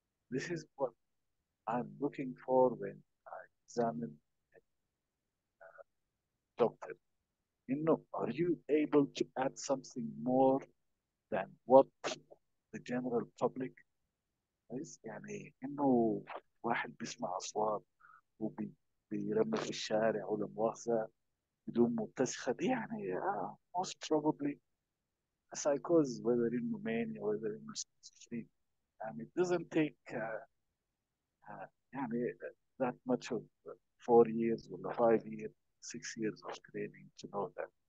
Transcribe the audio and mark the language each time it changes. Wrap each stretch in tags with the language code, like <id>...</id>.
<en>This is what I'm looking for when I examine a doctor. You know, are you able to add something more than what the general public is?</en> <ar>يعني إنه واحد بيسمع أصوات وبيرمي في الشارع ولا مؤاخذة بدون متسخة، دي يعني</ar> <en>most probably a psychosis، whether in Romania whether in Spain. And it doesn't take يعني that much of 4 years or 5 years 6 years of training to know that.</en>